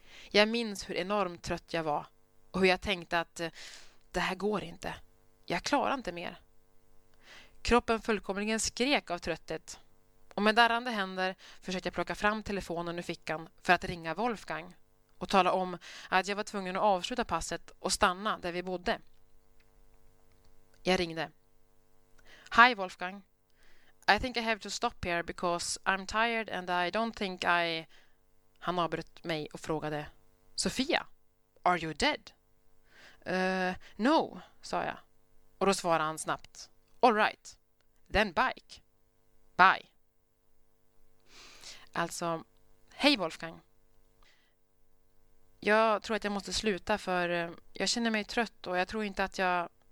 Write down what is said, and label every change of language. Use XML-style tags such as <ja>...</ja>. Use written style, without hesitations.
<sv>Jag minns hur enormt trött jag var och hur jag tänkte att det här går inte. Jag klarar inte mer. Kroppen fullkomligen skrek av trötthet, och med darrande händer försökte jag plocka fram telefonen ur fickan för att ringa Wolfgang och tala om att jag var tvungen att avsluta passet och stanna där vi bodde. Jag ringde.</sv> <en>Hi Wolfgang. I think I have to stop here because I'm tired and I don't think I...</en> <sv>Han avbröt mig och frågade.</sv> <en>Sofia, are you dead? No,</en> <sv>sa jag. Och då svarade han snabbt.</sv> <en>All right, then bike. Bye.</en> <sv>Alltså, hej Wolfgang. Jag tror att jag måste sluta för jag känner mig trött och jag tror inte att jag...</sv>